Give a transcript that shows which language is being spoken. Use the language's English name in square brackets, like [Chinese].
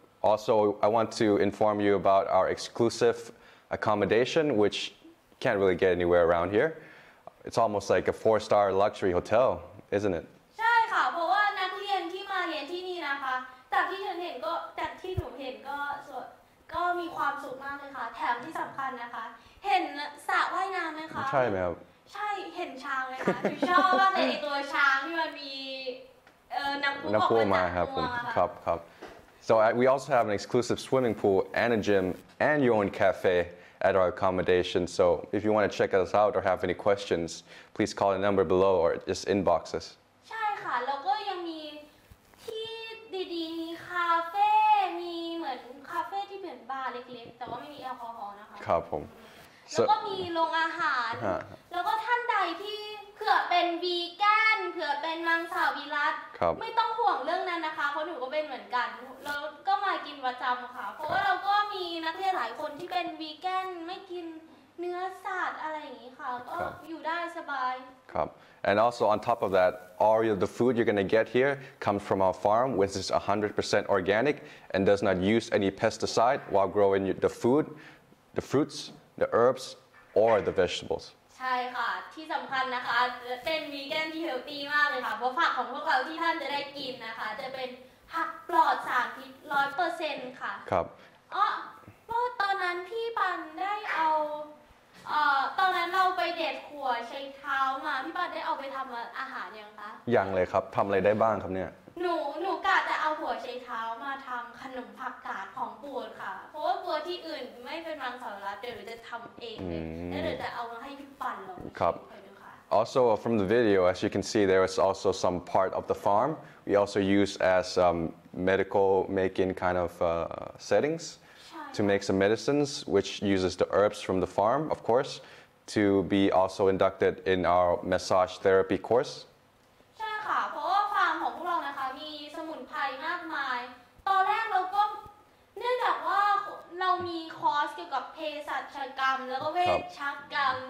[English] Also, I want to inform you about our exclusive accommodation which can't really get anywhere around here. It's almost like a 4-star luxury hotel, isn't it? [Thai] ใช่ค่ะเพราะว่านักเรียนที่มาเรียนที่นี่นะคะจากที่ฉันเห็นก็จากที่หนูเห็นก็สวยก็มีความสุขมากเลยค่ะแถมที่สําคัญนะคะเห็นสระว่ายน้ำไหมคะ ใช่ไหมครับ ใช่เห็นช้างไหมคะหนูชอบมากเลยตัวช้างที่มันมีน้ำพุออกมา ครับครับครับ [English] so we also have an exclusive swimming pool and a gym and your own cafe at our accommodation so if you want to check us out or have any questions please call the number below or just inbox us [Thai] ใช่ค่ะแล้วก็ยังมีที่ดีๆมีคาเฟ่มีเหมือนคาเฟ่ที่เหมือนบาร์เล็กๆแต่ว่าไม่มีแอลกอฮอล์นะคะ ครับผม แล้วก็มีโรงอาหารแล้วก็ท่านใดที่เผื่อเป็นวีแกนเผื่อเป็นมังสวิรัติไม่ต้องห่วงเรื่องนั้นนะคะเพราะหนูก็เป็นเหมือนกันแล้วก็มากินประจำค่ะเพราะว่าเราก็มีนักเรียนหลายคนที่เป็นวีแกนไม่กินเนื้อสัตว์อะไรอย่างนี้ค่ะก็อยู่ได้สบาย ครับ [English] and also on top of that all of the food you're going to get here comes from our farm which is 100% organic and does not use any pesticide while growing the food the fruitsthe herbs or the vegetables [Thai] ใช่ค่ะที่สําคัญนะคะเป็นวีแกนที่เฮลตี้มากเลยค่ะเพราะผักของพวกเราที่ท่านจะได้กินนะคะจะเป็นผักปลอดสารพิษ 100% ค่ะ ครับ เพราะตอนนั้นพี่ปันได้เอาตอนนั้นเราไปเด็ดขั่วใช้เท้ามาพี่ปันได้เอาไปทําอาหารยังคะ ยังเลยครับทําอะไรได้บ้างครับเนี่ย หนู เช้ามาทำขนมผักกาดของปู่ค่ะเพราะว่าปู่ที่อื่นไม่เป็นมังสวิรัติเดี๋ยวจะทำเองเลยแล้วเดี๋ยวจะเอามาให้พี่ปันลอง ครับ [English] Also from the video, as you can see, there is also some part of the farm we also use as medical making kind of settings to make some medicines, which uses the herbs from the farm, of course, to be also inducted in our massage therapy course. [Thai] ใช่ค่ะเพราะว่าฟาร์มของพวกเรานะคะมีสมุนไพรมากมายตอนแรกเราก็เนื่องจากว่าเรามีคอร์สที่เป็นการทำสมุนไพรเกี่ยวกับเภสัชกรรมแล้วก็เวชกรรม